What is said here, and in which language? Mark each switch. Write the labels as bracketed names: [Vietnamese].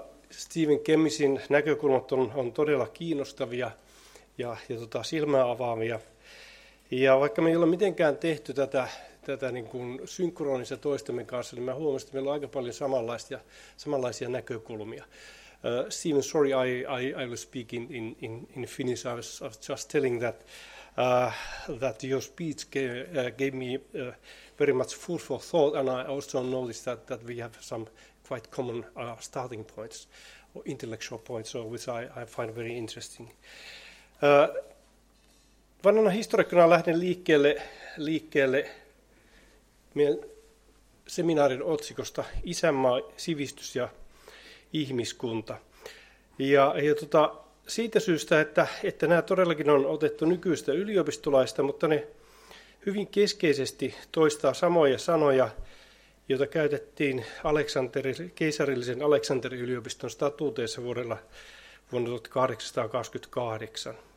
[Finnish] Stephen Kemisin näkökulmat on todella kiinnostavia ja silmää avaavia. Ja vaikka me ei ole mitenkään tehty tätä niin kuin synkronissa toistemme kanssa, niin mä huomasin, että meillä on aika paljon samanlaisia näkökulmia. [English] Stephen, sorry, I will speak in Finnish. I was just telling that your speech gave me very much food for thought, and I also noticed that we have some quite common starting points or intellectual points, which I find very interesting. [Finnish] Vanhana historiikkana lähden liikkeelle meidän seminaarin otsikosta Isänmaa, sivistys ja ihmiskunta. Ja siitä syystä, että nämä todellakin on otettu nykyistä yliopistolaista, mutta ne hyvin keskeisesti toistaa samoja sanoja, joita käytettiin keisarillisen Aleksanterin yliopiston statuuteissa vuonna 1828.